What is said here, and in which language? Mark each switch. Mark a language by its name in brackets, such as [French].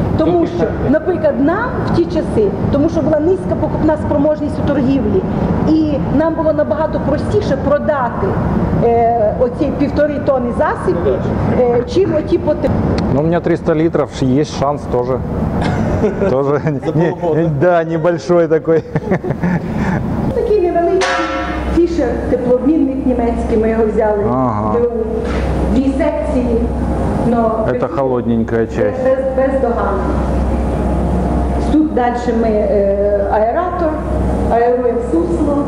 [Ukrainian] Тому що, наприклад, нам в ті часи, тому що була низька покупна спроможність у торгівлі, і нам було набагато простіше продати оці півтори тонни засипів, чим оті потреби. Ну, у мене 300 літрів, є шанс теж. [Russian] Тоже да, небольшой такой. [Ukrainian] Такий невеличкий фішер, тепломінник німецький, ми його взяли. Ага. Дві секції, але... Це холодненька частина. Бездоганно. Тут далі ми аератор, аеруємо сусло.